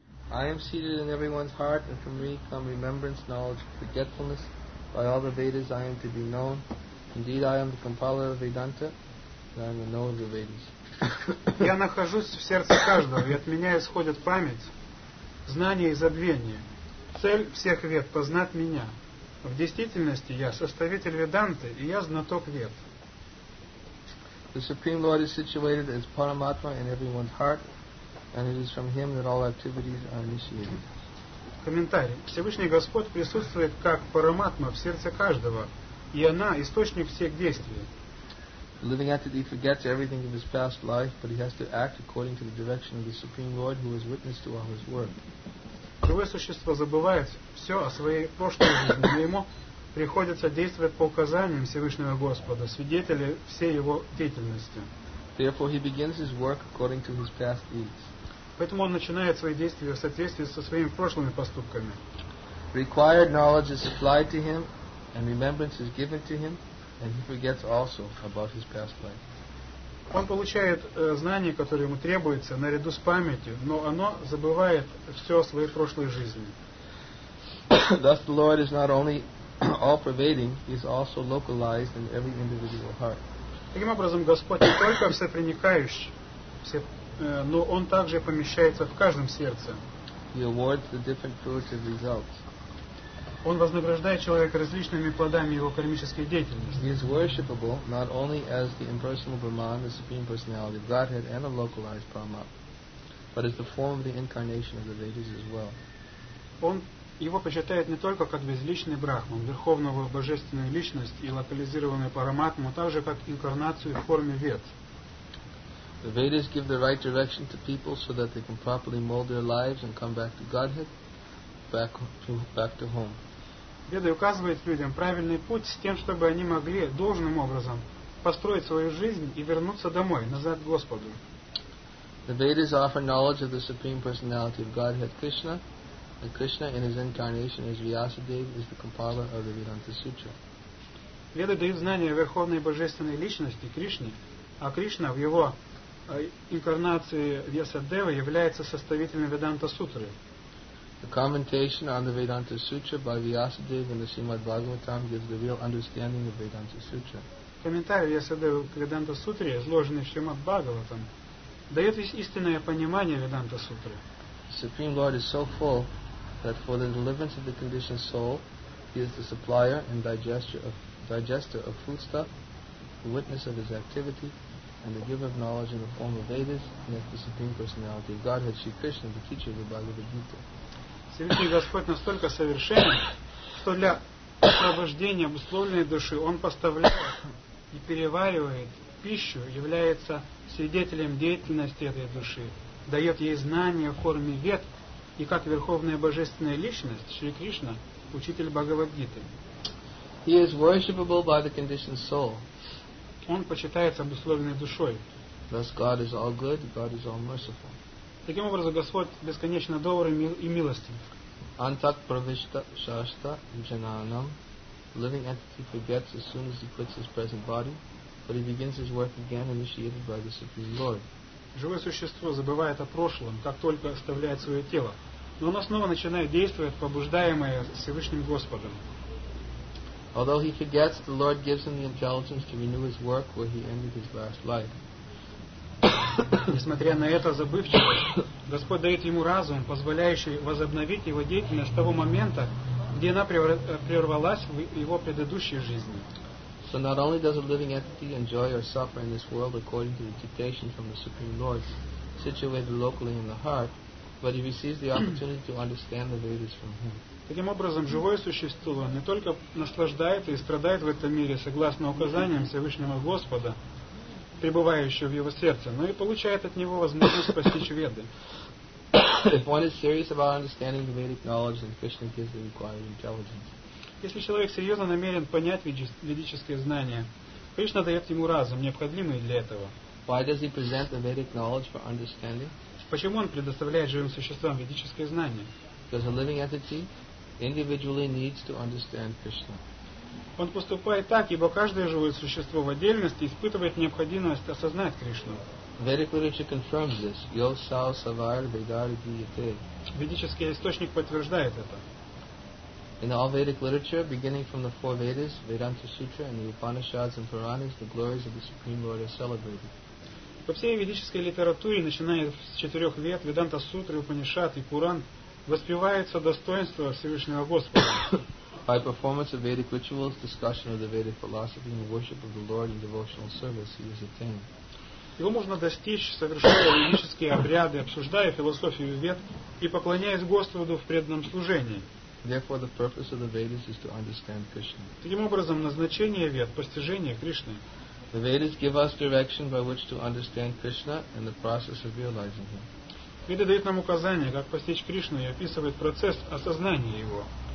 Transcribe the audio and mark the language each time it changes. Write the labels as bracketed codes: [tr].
[en] I am seated in everyone's heart, and from me come remembrance, knowledge, forgetfulness. By all the Vedas I am to be known. Indeed, I am the compiler of Vedanta, and I am the knower of the Vedas. [ru] Я нахожусь в сердце каждого, и от меня исходит память, знание и забвение. Цель всех вед – познать меня. В действительности я составитель Веданты, и я знаток вед. [en] The Supreme Lord is situated as Paramatma in everyone's heart, and it is from Him that all activities are initiated. [ru] Комментарий. Всевышний Господь присутствует как Параматма в сердце каждого, и она – источник всех действий. [en] The living entity forgets everything of his past life, but he has to act according to the direction of the Supreme Lord, who is witness to all his work. [ru] Живое существо забывает все о своей прошлой жизни, но ему приходится действовать по указаниям Всевышнего Господа, свидетеля всей его деятельности. [en] Therefore, he begins his work according to his past deeds. [ru] Поэтому он начинает свои действия в соответствии со своими прошлыми поступками. [en] Required knowledge is applied to him, and remembrance is given to him, and he forgets also about his past life. [ru] Он получает знания, которые ему требуются, наряду с памятью, но оно забывает все о своей прошлой жизни. [en] Thus the Lord is not only all-pervading, he is also localized in every individual heart. [ru] Таким образом, Господь не только всепроникающий, но Он также помещается в каждом сердце. [en] He awards the different fruitive results. [ru] Он вознаграждает человека различными плодами его кармической деятельности. [en] He is worshipable not only as the impersonal Brahman, the Supreme Personality of Godhead, and a localized Paramatma, but as the form of the incarnation of the Vedas as well. [ru] Он его почитает не только как безличный Брахман, верховного божественной личность и локализированную Параматму, но также как инкарнацию в форме Вед. [en] The Vedas give the right direction to people so that they can properly mold their lives and come back to Godhead. Back to home. [ru] Веды указывают людям правильный путь с тем, чтобы они могли должным образом построить свою жизнь и вернуться домой, назад к Господу. [en] The Vedas offer knowledge of the Supreme Personality of Godhead Krishna, and Krishna in his incarnation as Vyasadeva is the compiler of the Vedanta Sutra. [ru] Веды дают знания о Верховной Божественной Личности Кришне, а Кришна в его инкарнации Вьясадевы является составителем Веданта Сутры. [en] The commentation on the Vedanta Sutra by Vyasadeva in the Srimad Bhagavatam gives the real understanding of Vedanta Sutra. [ru] Комментарий Вьясадевы к Веданта Сутре, изложенный в Шримад Бхагаватам, дает истинное понимание Веданта Сутры. [en] The Supreme Lord is so full that for the deliverance of the conditioned soul, he is the supplier and digester of foodstuff, the witness of his activity, and the giver of knowledge in the form of Vedas, and as the Supreme Personality of Godhead, Sri Krishna, the teacher of the Bhagavad Gita. [ru] Всевышний Господь настолько совершенен, что для освобождения обусловленной души Он поставляет и переваривает пищу, является свидетелем деятельности этой души, дает ей знания в форме вед, и как Верховная Божественная Личность, Шри Кришна, Учитель Бхагавад-гиты. [en] He is worshipable by the conditioned soul. [ru] Он почитается обусловленной душой. [en] Thus God is all good, God is all merciful. [ru] Таким образом, Господь бесконечно добр и милостив. [sa] Antak pravishta shashta jananam. [en] Living entity forgets as soon as he quits his present body, but he begins his work again initiated by the Supreme Lord. [ru] Живое существо забывает о прошлом, как только оставляет свое тело, но оно снова начинает действовать, побуждаемое Всевышним Господом. [en] Although he forgets, the Lord gives him the intelligence to renew his work where he ended his last life. [ru] Несмотря на это забывчивость, Господь дает ему разум, позволяющий возобновить его деятельность с того момента, где она прервалась в его предыдущей жизни. [en] So not only does a living entity enjoy or suffer in this world according to the dictation from the Supreme Lord, situated locally in the heart, but he receives the opportunity to understand the Vedas from him. [ru] Таким образом, живое существо не только наслаждается и страдает в этом мире согласно указаниям Всевышнего Господа, пребывающего в его сердце, но и получает от него возможность постичь Веды. [en] If one is serious about understanding the Vedic knowledge, then Krishna gives the required intelligence. [ru] Если человек серьезно намерен понять ведические знания, Кришна дает ему разум, необходимый для этого. [en] Why does he present the Vedic knowledge for understanding? [ru] Почему он предоставляет живым существам ведические знания? [en] Because a living entity individually needs to understand Krishna. [ru] Он поступает так, ибо каждое живое существо в отдельности испытывает необходимость осознать Кришну. [en] Vedic literature confirms this. [sa] Yosau Savar Vedar Gyate. [ru] Ведический источник подтверждает это. [en] In all Vedic literature, beginning from the four Vedas, Vedanta Sutra, and the Upanishads and Puranas, the glories of the Supreme Lord are celebrated. [ru] По всей ведической литературе, начиная с четырех Вед, Веданта Сутры, Упанишад и Пуран, воспеваются достоинства Всевышнего Господа. [en] By performance of Vedic rituals, discussion of the Vedic philosophy and worship of the Lord in devotional service, he is attained. [ru] Его можно достичь, совершая ведические обряды, обсуждая философию Вед и поклоняясь Господу в преданном служении. [en] Therefore, the purpose of the Vedas is to understand Krishna. [ru] Таким образом, назначение Вед – постижение Кришны. [en] The Vedas give us direction by which to understand Krishna and the process of realizing Him. [ru] Веды дают нам указания, как постичь Кришну, и описывают процесс осознания Его.